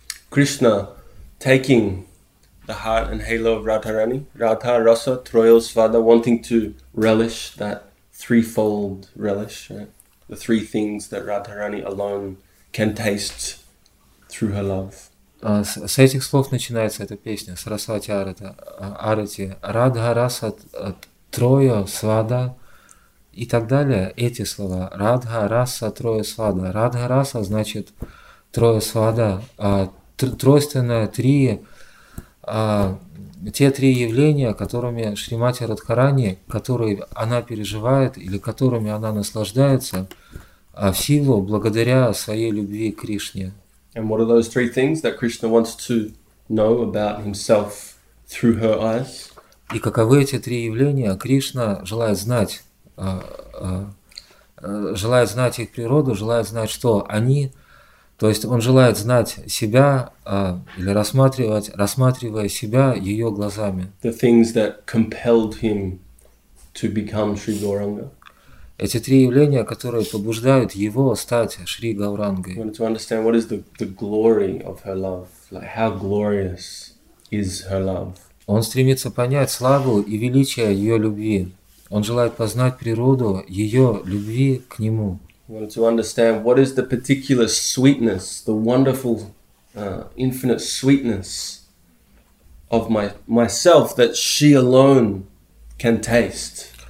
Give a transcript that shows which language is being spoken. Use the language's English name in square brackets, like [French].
[English] Krishna taking the heart and halo of Radharani, Radha Rasa, Troyosvada, wanting to relish that threefold relish, right? The three things that Radharani alone can taste through her love. [Russian] С этих слов начинается эта песня, Сарасвати Арати. Радха Раса Троя Свада и так далее. Эти слова. Радха Раса Троя Свада. Радха Раса значит Троя Свада. Тройственное три, те три явления, которыми Шримати Радхарани, которые она переживает или которыми она наслаждается в силу благодаря своей любви к Кришне. [English] And what are those three things that Krishna wants to know about himself through her eyes? [Russian] И каковы эти три явления? Кришна желает знать их природу, желает знать, что они, то есть он желает знать себя или рассматривая себя ее глазами. [English] The things that compelled him to become Sri Gauranga. [Russian] Эти три явления, которые побуждают его стать Шри Гаурангой. [English] Wanted to understand what is the glory of her love, like how glorious is her love. [Russian] Он стремится понять славу и величие ее любви. Он желает познать природу ее любви к нему. [English] Wanted to understand what is the particular sweetness, the wonderful, infinite sweetness of myself that she alone can taste.